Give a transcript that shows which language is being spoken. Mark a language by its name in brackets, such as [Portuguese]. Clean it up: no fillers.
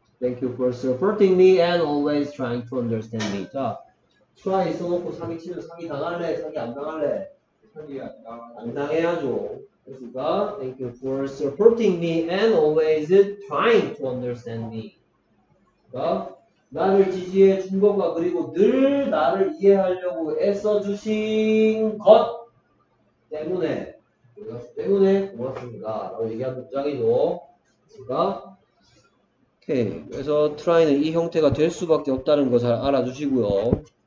[English] thank you for supporting me and always trying to understand me. [Korean] 자, try 써놓고 상의 치면 상의 당할래? 상의 안 당할래? 상의 안 당해야죠. 됐습니까? [English] Thank you for supporting me and always trying to understand me. [Korean] 됐습니까? 나를 지지해 준 것과 그리고 늘 나를 이해하려고 애써 주신 것 때문에 고맙습니다라고 얘기한 문장이죠. 그러니까 오케이. 그래서 try는 이 형태가 될 수밖에 없다는 거 잘 알아주시고요.